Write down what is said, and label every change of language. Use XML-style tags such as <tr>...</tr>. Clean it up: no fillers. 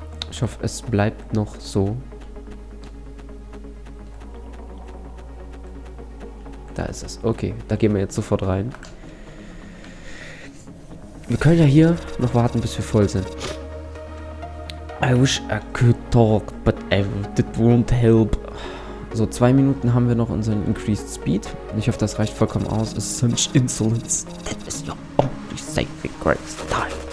<de>Ich hoffe, es bleibt noch so. Da ist es. Okay, da gehen wir jetzt sofort rein. Wir können ja hier noch warten, bis wir voll sind.</de> <en>I wish I could talk, but it won't help.</en> <de>So, 2 Minuten haben wir noch unseren Increased Speed. Ich hoffe, das reicht vollkommen aus.</de> <en>It's such insolence. That is your only safe grace time.</en>